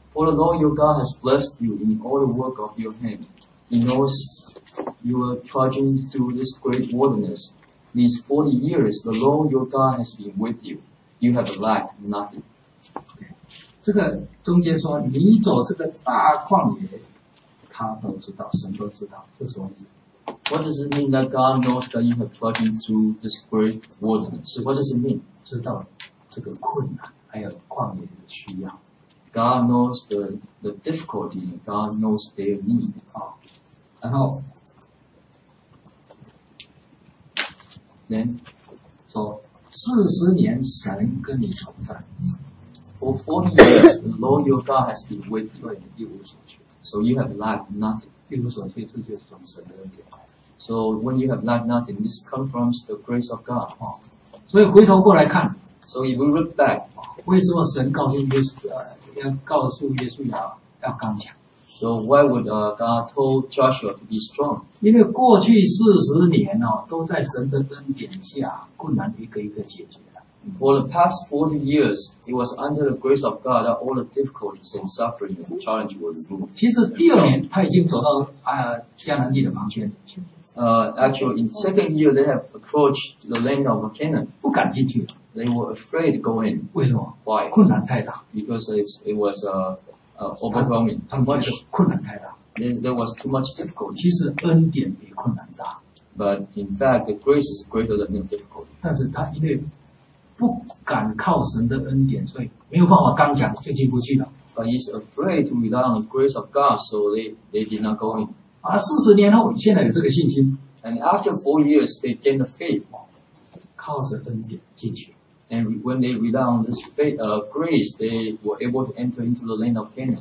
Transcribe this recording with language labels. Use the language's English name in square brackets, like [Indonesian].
[English] For the Lord your God has blessed you in all the work of your hand. He knows you are trudging through this great wilderness. These 40 years, the Lord your God has been with you. You have lacked nothing. Okay. [Chinese] 这个中间说，你走这个大旷野，他都知道，神都知道，这什么意思？ [English] What does it mean that God knows that you have trudging through this great wilderness? What does it mean? [Chinese] 知道这个困难，还有旷野的需要。 [English] God knows the difficulty. God knows their need. [Chinese] 好，然后 [English] ，then [Chinese] 说40年神跟你同在。 [English] For 40 years, the Lord your God has been with you in the [Chinese] 一无所缺. [English] So you have lacked nothing. [Chinese] 一无所缺, 这就是从神而来. [English] So when you have lacked nothing, this comes from the grace of God. 哦, [Chinese] 所以回头过来看, [English] so if we look back, [Chinese] 为什么神告诉耶稣要刚强? [English] So why would God told Joshua to be strong? [Chinese] 因为过去40年, 都在神的恩典下困难一个一个解决. [English] For the past 40 years, it was under the grace of God that all the difficulties and suffering and challenge were removed. [Chinese] 其实第二年他已经走到迦南地的旁边。 [English] Actually, in the second year, they have approached the land of Canaan. [Chinese] 不敢进去。 [English] They were afraid to go in. [Chinese] 为什么? [English] Why? [Chinese] 困难太大。 [English] Because it was overwhelming. Too much. [Chinese] 困难太大。 [English] There was too much difficulty. [Chinese] 其实恩典比困难大。 [English] But in fact, the grace is greater than the difficulty. [Chinese] 但是他因为 不敢靠神的恩典，所以没有办法刚强，就进不去了。 [English] But he's afraid to rely on the grace of God, so they did not go in. [Chinese] 40年后，现在有这个信心。 [English] And after 4 years, they gained the faith. [Chinese] 靠着恩典进去。 [English] And when they rely on this faith, grace, they were able to enter into the land of Canaan.